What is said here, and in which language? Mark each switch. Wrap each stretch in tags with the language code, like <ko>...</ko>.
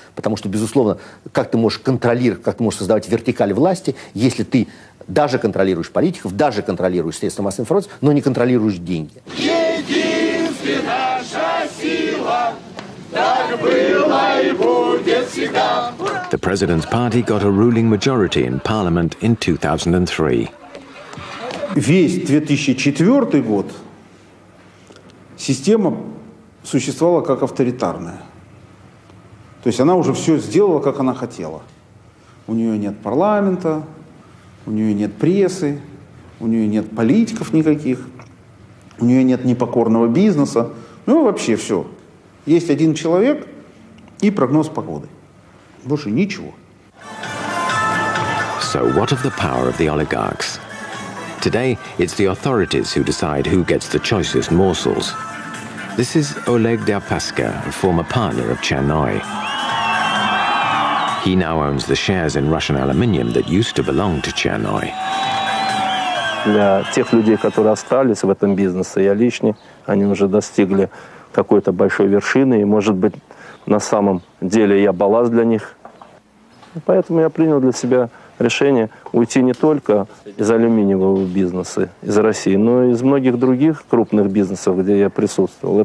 <ru>Потому что, безусловно, как ты можешь контролировать, как ты можешь создавать вертикаль власти, если ты даже контролируешь политиков, даже контролируешь средства массовой информации, но не контролируешь деньги. Единстве наша сила, так было и будет всегда.</ru> <en>The president's party got a ruling majority in parliament in 2003.</en> <ru>Весь 2004 год система существовала как авторитарная. То есть она уже все сделала, как она хотела. У нее нет парламента, у нее нет прессы, у нее нет политиков никаких, у нее нет непокорного бизнеса. Ну вообще все. Есть один человек и прогноз погоды. Больше ничего.</ru> <en>So what of the power of the oligarchs? Today it's the authorities who decide who gets the choicest morsels. This is Oleg Deripaska, a former partner of Chernoy. He now owns the shares in Russian aluminium that used to belong to Chernoy.</en> <ru>Для тех людей, которые остались в этом бизнесе, я лишний, они уже достигли какой-то большой вершины, и, может быть, на самом деле я балласт для них. Поэтому я принял для себя решение уйти не только из алюминиевого бизнеса, из России, но и из многих других крупных бизнесов, где я присутствовал.</ru>